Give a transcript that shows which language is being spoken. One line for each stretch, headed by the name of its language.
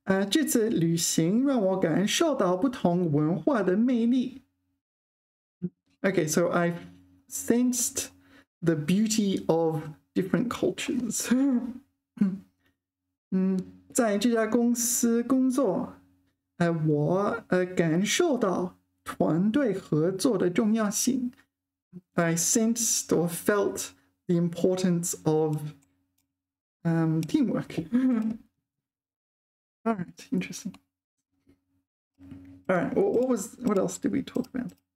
Chinese: 这次旅行让我感受到不同文化的魅力.
English: Okay, so I sensed the beauty of different cultures.
Chinese: 在这家公司工作, 我 感受到团队合作的重要性.
English: I sensed or felt the importance of teamwork. All right, interesting. All right, what else did we talk about?